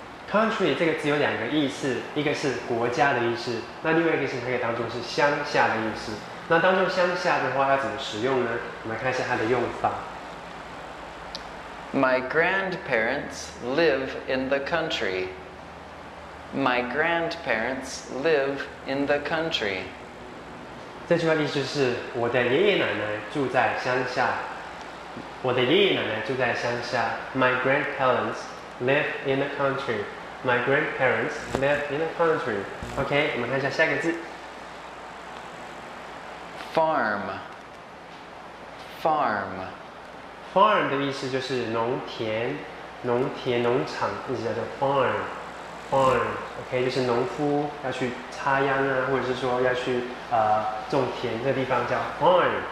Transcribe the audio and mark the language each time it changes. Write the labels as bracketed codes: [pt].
[zh] Country 这个只有两个意思，一个是国家的意思，那另外一个是它可以当作是乡下的意思。那当作乡下的话，要怎么使用呢？我们来看一下它的用法。 [en] My grandparents live in the country. My grandparents live in the country. [zh] 这句话意思是我的爷爷奶奶住在乡下。我的爷爷奶奶住在乡下。 [en] My grandparents live in the country. My grandparents live in the country. [zh] OK， 我们看一下下一个字。 [en] Farm. Farm. [zh] Farm 的意思就是农田，农田、农场，意思叫做 farm。 Farm， OK， 就是农夫要去插秧啊，或者是说要去种田，这个地方叫 farm。